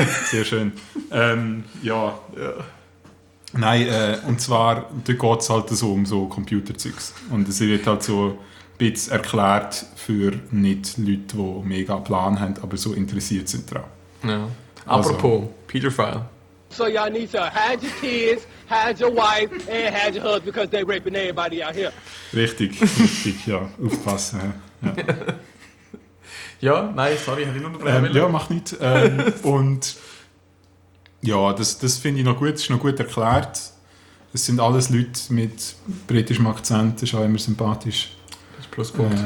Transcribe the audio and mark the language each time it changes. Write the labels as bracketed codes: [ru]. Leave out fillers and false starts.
[de] Sehr schön. Ja. Nein, und zwar, da geht es halt so um so Computerzeugs. Und es wird halt so ein bisschen erklärt für nicht Leute, die mega Plan haben, aber so interessiert sind daran. Ja. Apropos, also. Peterphile. [en] So y'all need to hide your kids, hide your wife and hide your husband because they raping everybody out here. [de] Richtig, ja. Aufpassen. Ja. Ja, nein, sorry, hätte ich nur unterbrechen wollen. Ja, mach nicht. und ja, das finde ich noch gut, das ist noch gut erklärt. Es sind alles Leute mit britischem Akzent, das ist auch immer sympathisch. Das ist Pluspunkt.